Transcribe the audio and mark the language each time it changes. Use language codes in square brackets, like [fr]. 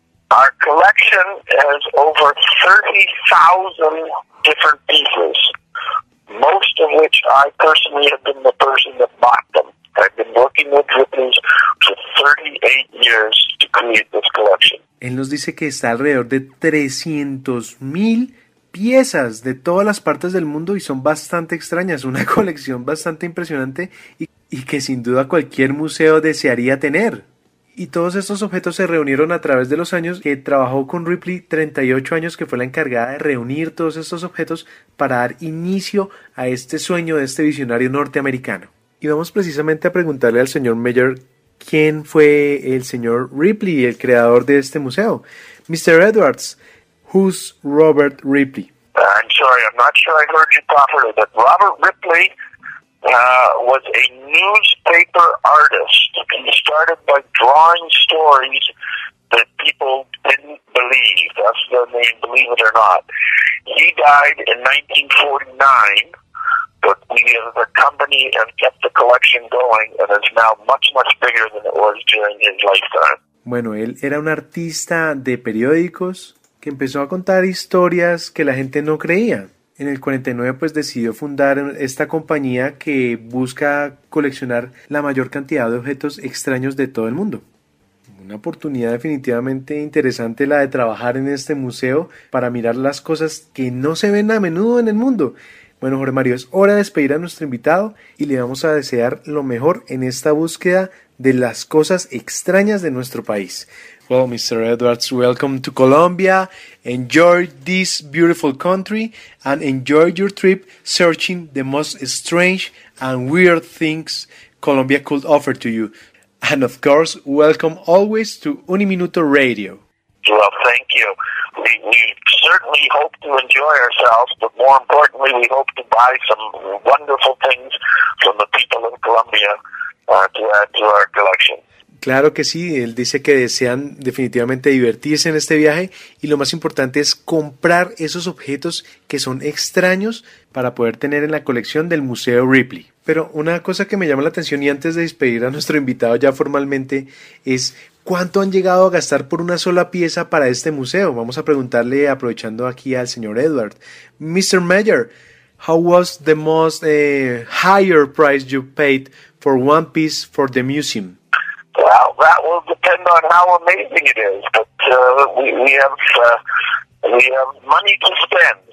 [en] Our collection has over 30,000 different pieces, most of which I personally have been the person that bought them. I've been working with Ripley's for 38 years to create this collection. [es] Él nos dice que está alrededor de 300,000 piezas de todas las partes del mundo y son bastante extrañas, una colección bastante impresionante y que sin duda cualquier museo desearía tener. Y todos estos objetos se reunieron a través de los años, que trabajó con Ripley 38 años, que fue la encargada de reunir todos estos objetos para dar inicio a este sueño de este visionario norteamericano. Y vamos precisamente a preguntarle al señor Mayer, ¿quién fue el señor Ripley, el creador de este museo? [en] Mr. Edwards, who's Robert Ripley? I'm sorry, I'm not sure I heard you properly, but Robert Ripley was a newspaper artist. He started by drawing stories that people didn't believe, that's the name, believe it or not. He died in 1949. But we have the company and kept the collection going, and it's now much, much bigger than it was during his lifetime. [es] Bueno, él era un artista de periódicos que empezó a contar historias que la gente no creía. En el 49, pues decidió fundar esta compañía que busca coleccionar la mayor cantidad de objetos extraños de todo el mundo. Una oportunidad definitivamente interesante la de trabajar en este museo para mirar las cosas que no se ven a menudo en el mundo. Bueno, Jorge Mario, es hora de despedir a nuestro invitado y le vamos a desear lo mejor en esta búsqueda de las cosas extrañas de nuestro país. [en] Well, Mr. Edwards, welcome to Colombia. Enjoy this beautiful country and enjoy your trip searching the most strange and weird things Colombia could offer to you. And of course, welcome always to Uniminuto Radio. Well, thank you. We certainly hope to enjoy ourselves, but more importantly, we hope to buy some wonderful things from the people of Colombia to add to our collection. [es] Claro que sí, él dice que desean definitivamente divertirse en este viaje y lo más importante es comprar esos objetos que son extraños para poder tener en la colección del Museo Ripley. Pero una cosa que me llama la atención y antes de despedir a nuestro invitado ya formalmente es ¿cuánto han llegado a gastar por una sola pieza para este museo? Vamos a preguntarle aprovechando aquí al señor Edward. [en] Mr. Mayor, how was the most higher price you paid for one piece for the museum? Well, that will depend on how amazing it is, but we have money to spend.